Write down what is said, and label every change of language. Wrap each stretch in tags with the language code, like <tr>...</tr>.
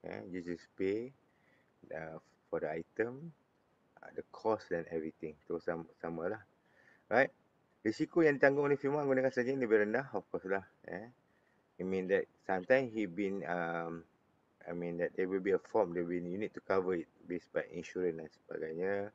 <en>You just pay for the item, the cost and everything.</en> <ms>Itu sama lah.</ms> <en>Right?</en> <ms>Risiko yang ditanggung oleh firma menggunakan saja ini lebih rendah,</ms> <en>of course</en> <ms>lah.</ms> <en>I mean that sometimes there will be a form, you need to cover it based by insurance</en> <ms>dan sebagainya.</ms>